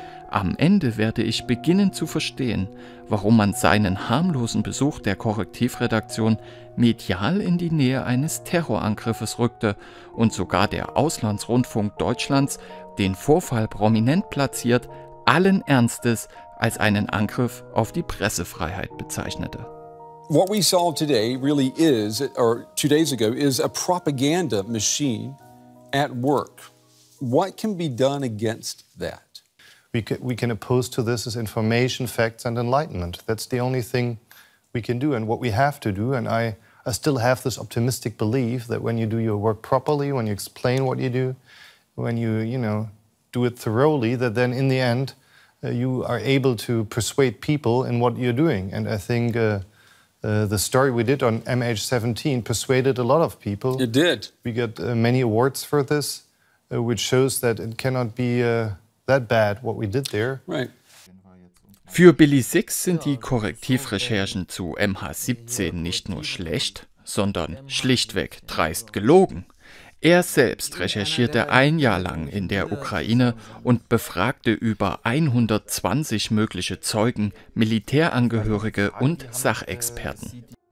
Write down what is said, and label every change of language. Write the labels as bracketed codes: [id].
[de] Am Ende werde ich beginnen zu verstehen, warum man seinen harmlosen Besuch der Korrektivredaktion medial in die Nähe eines Terrorangriffes rückte und sogar der Auslandsrundfunk Deutschlands den Vorfall prominent platziert, allen Ernstes als einen Angriff auf die Pressefreiheit bezeichnete. [en] What we saw today really is, or 2 days ago, is a propaganda machine at work. What can be done against that? We can oppose to this is information, facts and enlightenment. That's the only thing we can do. And what we have to do, and I still have this optimistic belief that when you do your work properly, when you explain what you do, when you, you know, do it thoroughly, that then in the end you are able to persuade people in what you're doing. And I think the story we did on MH17 persuaded a lot of people. It did. We got many awards for this, which shows that it cannot be... That bad, what we did there. Right. [de] Für Billy Six sind die Korrektivrecherchen zu MH17 nicht nur schlecht, sondern schlichtweg dreist gelogen. Er selbst recherchierte ein Jahr lang in der Ukraine und befragte über 120 mögliche Zeugen, Militärangehörige und Sachexperten.